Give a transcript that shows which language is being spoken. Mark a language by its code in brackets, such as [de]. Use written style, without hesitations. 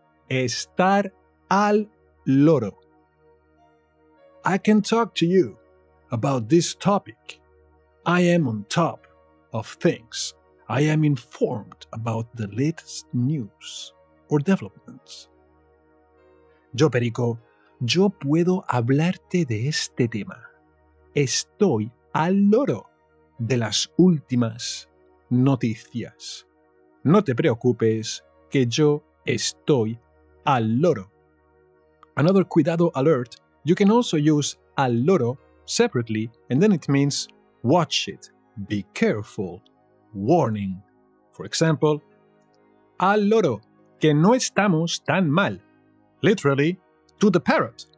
[es] estar al loro. [en] I can talk to you about this topic I am on top of things. I am informed about the latest news or developments. [es] Yo, Perico, yo puedo hablarte de este tema. Estoy al loro de las últimas noticias. No te preocupes que yo estoy al loro. [en] Another cuidado alert, you can also use al loro separately and then it means watch it, be careful, warning. For example, [es] al loro, que no estamos tan mal. [en] Literally, to the parrot,